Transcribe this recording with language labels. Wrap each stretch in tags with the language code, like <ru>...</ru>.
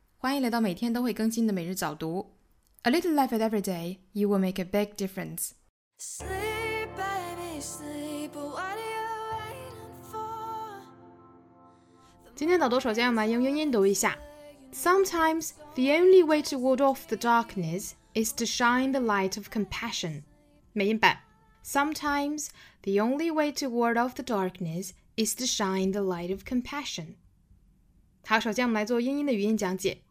<zh>欢迎来到每天都会更新的每日早读。</zh> <en>A little life at every day, you will make a big difference. Sleep, baby, sleep, what are you waiting for?</en> <zh>今天早读首先我们来用英音读一下。</zh> <en>Sometimes, the only way to ward off the darkness is to shine the light of compassion.</en> <zh>美音版。</zh> <en>Sometimes, the only way to ward off the darkness is to shine the light of compassion.</en> <zh>好，首先我们来做英音的语音讲解。</zh>